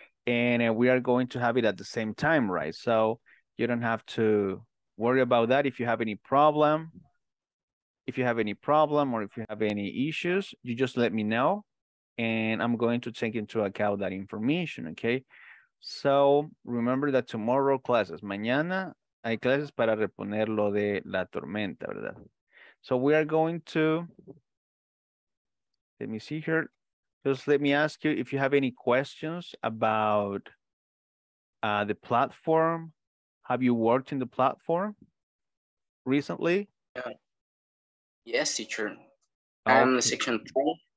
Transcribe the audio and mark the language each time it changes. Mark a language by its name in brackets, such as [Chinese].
[English] And we are going to have it at the same time, right? So you don't have to worry about that. If you have any problem, if you have any problem or if you have any issues, you just let me know. And I'm going to take into account that information, okay? So remember that tomorrow classes. [Spanish] Mañana hay clases para reponer lo de la tormenta, ¿verdad? [English] So we are going to, let me see here. Just let me ask you if you have any questions about the platform. Have you worked in the platform recently? Yes, teacher. Okay. I'm section two.